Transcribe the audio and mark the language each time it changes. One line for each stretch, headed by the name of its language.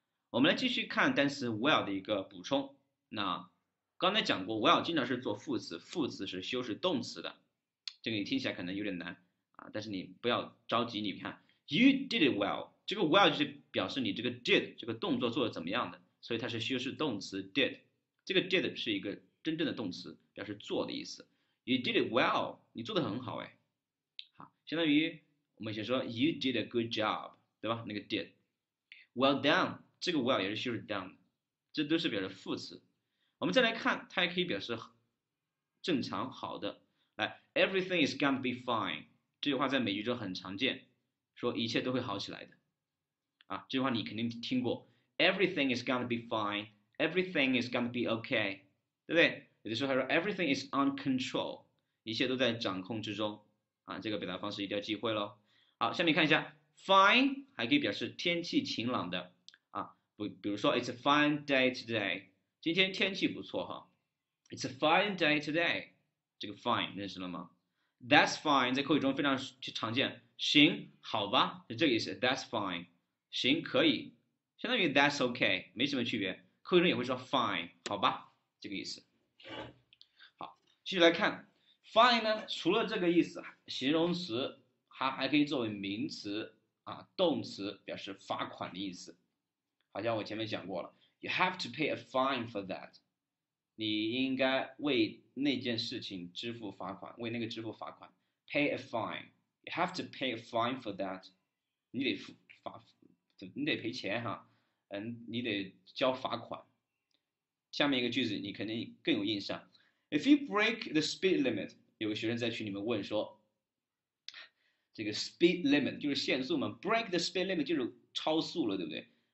Chinese: 我们来继续看单词 well 的一个补充。那刚才讲过，well 经常是做副词，副词是修饰动词的。这个你听起来可能有点难啊，但是你不要着急。你看，
English: you did it well，
Chinese: 这个 well 就是表示你这个 did 这个动作做得怎么样的，所以它是修饰动词 did。这个 did 是一个真正的动词，表示做的意思。
English: you did it well，
Chinese: 你做得很好哎。 好，相当于我们以前说
English: you did a good job，
Chinese: 对吧？那个 did，
English: well done。
Chinese: 这个 well 也是修饰 done 的，这都是表示副词。我们再来看，它也可以表示正常、好的。来，
English: everything is gonna be fine
Chinese: 这句话在美剧中很常见，说一切都会好起来的。啊，这句话你肯定听过，
English: everything is gonna be fine， everything is gonna be okay，
Chinese: 对不对？有的时候还说
English: everything is on control，
Chinese: 一切都在掌控之中。啊，这个表达方式一定要记会喽。好，下面看一下，fine 还可以表示天气晴朗的。比如说，
English: It's a fine day today。
Chinese: 今天天气不错哈。
English: It's a fine day today。
Chinese: 这个 fine 认识了吗？
English: That's fine
Chinese: 在口语中非常常见。行，好吧，是这个意思。
English: That's fine，
Chinese: 行，可以，相当于
English: That's okay，
Chinese: 没什么区别。口语中也会说 fine，好吧，这个意思。好，继续来看，fine 呢，除了这个意思，形容词还可以作为名词啊，动词表示罚款的意思。好像我前面讲过了，
English: You have to pay a fine for that。
Chinese: 你应该为那件事情支付罚款，为那个支付罚款。
English: Pay a fine，You have to pay a fine for that。
Chinese: 你得付罚，你得赔钱哈，你得交罚款。下面一个句子你肯定更有印象，
English: If you break the speed limit，
Chinese: 有个学生在群里面问说，这个 speed limit 就是限速嘛，
English: break the speed limit
Chinese: 就是超速了，对不对？